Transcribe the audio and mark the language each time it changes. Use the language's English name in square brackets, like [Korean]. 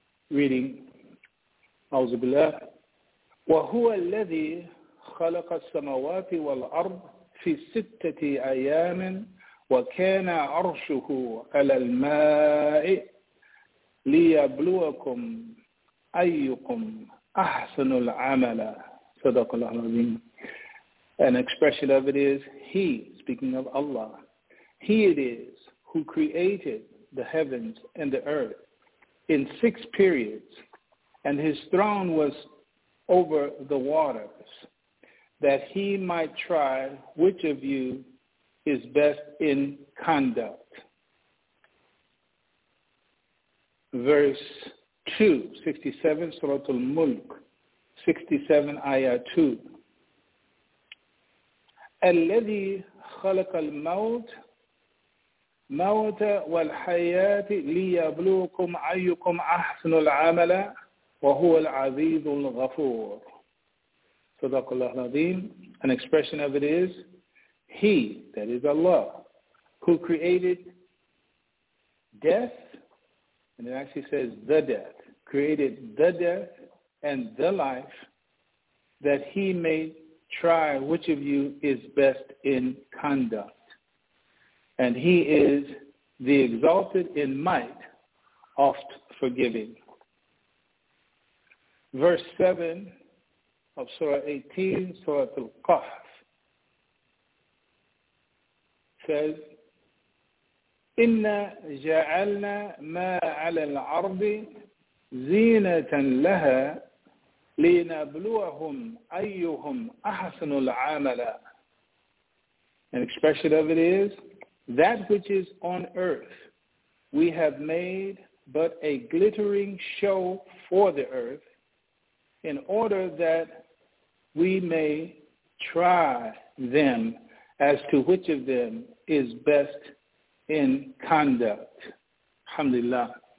[English] Reading, [Arabic] أعوذ بالله وهو الذي خلق السماوات والأرض في ستة أيام وكان عرشه على الماء ليبلوكم أيكم أحسن العمل صدق الله العظيم. [English] An expression of it is, he, speaking of Allah, he it is who created the heavens and the earth in 6 periods, and his throne was over the waters, that he might try which of you is best in conduct. Verse 2, 67, Surah Al-Mulk, 67, Ayah 2. [Arabic] الَّذِي خَلَقَ الْمَوْتِ موت والحياة ليبلوكم أيكم أحسن العمل وهو العزيز الغفور. صدق الله العظيم. [English] An expression of it is, he, that is Allah, who created death, and it actually says the death, created the death and the life, that he may try which of you is best in conduct. And he is the exalted in might, oft forgiving. Verse 7 of Surah 18, Surah Al-Qahf, says, [Arabic] إنا جعلنا ما على الأرض زينة لها لنبلوهم أيهم أحسن العمل. [English] An expression of it is, that which is on earth we have made but a glittering show for the earth in order that we may try them as to which of them is best in conduct. Alhamdulillah.